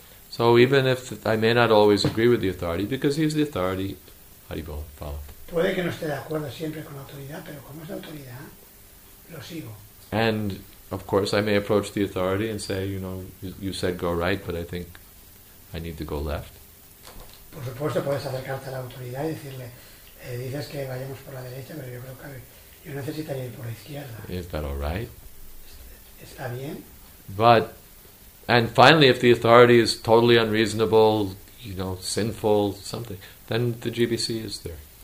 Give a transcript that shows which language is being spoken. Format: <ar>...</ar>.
<en>So even if I may not always agree with the authority, because he's the authority, Haribol, follow.</en> <es>Puede que no esté de acuerdo siempre con la autoridad, pero como es la autoridad, lo sigo.</es> <en>And, of course, I may approach the authority and say, you know, you said go right, but I think I need to go left.</en> <es>Por supuesto, puedes acercarte a la autoridad y decirle, dices que vayamos por la derecha, pero yo creo que yo necesitaría ir por la izquierda.</es> <en>Is that all right?</en> <es>¿Está bien?</es> <en>But, and finally, if the authority is totally unreasonable, you know, sinful, something, then the GBC is there.</en>